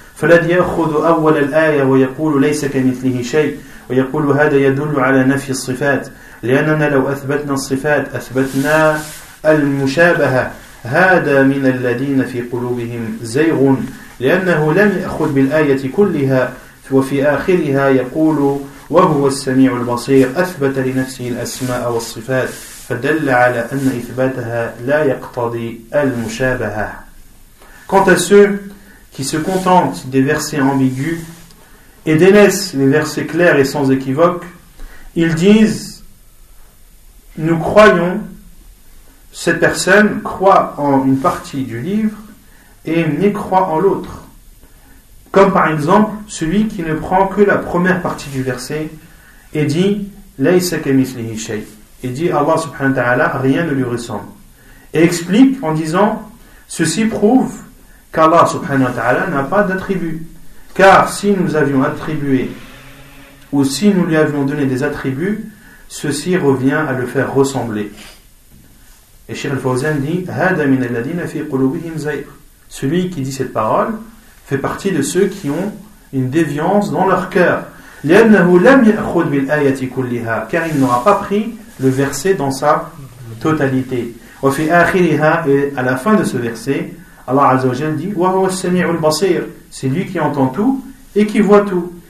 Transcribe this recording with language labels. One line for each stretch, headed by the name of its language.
Arabic: فالذي يأخذ أول الآية ويقول ليس كمثله شيء ويقول هذا يدل على نفي الصفات لأننا لو أثبتنا الصفات أثبتنا المشابهة هذا من الذين في قلوبهم زيغ لأنه لم يأخذ بالآية كلها وفي آخرها يقول وهو السميع البصير أثبت لنفسه الأسماء والصفات فدل على أن إثباتها لا يقتضي المشابهة.
French: Quant à ceux qui se contentent des versets ambigus et délaissent les versets clairs et sans équivoque, ils disent, nous croyons, cette personne croit en une partie du livre et mécroit en l'autre. Comme par exemple, celui qui ne prend que la première partie du verset et dit,
Arabic: laïsa kamithlihi shay,
French: et dit, Allah subhanahu wa ta'ala, rien ne lui ressemble. Et explique en disant, ceci prouve qu'Allah subhanahu wa ta'ala n'a pas d'attribut. Car si nous avions attribué, ou si nous lui avions donné des attributs, ceci revient à le faire ressembler. Et Cheikh al-Fawzan dit,
Arabic: هَذَا مِنَ الَّذِينَ فِي قُلُوبِهِمْ زَيْرٌ.
French: Celui qui dit cette parole fait partie de ceux qui ont une déviance dans leur cœur.
Arabic: لِأَنَّهُ لَمْ يَأْخُذْ بِالْآيَةِ كُلِّهَا.
French: Car il n'aura pas pris le verset dans sa totalité.
Arabic: وَفِي آخِرِهَا.
French: Et à la fin de ce verset, Allah Azza wa Jalla dit «
Arabic: Wa huwa as-sami'u al-basir
French: » C'est lui qui entend tout et qui voit tout.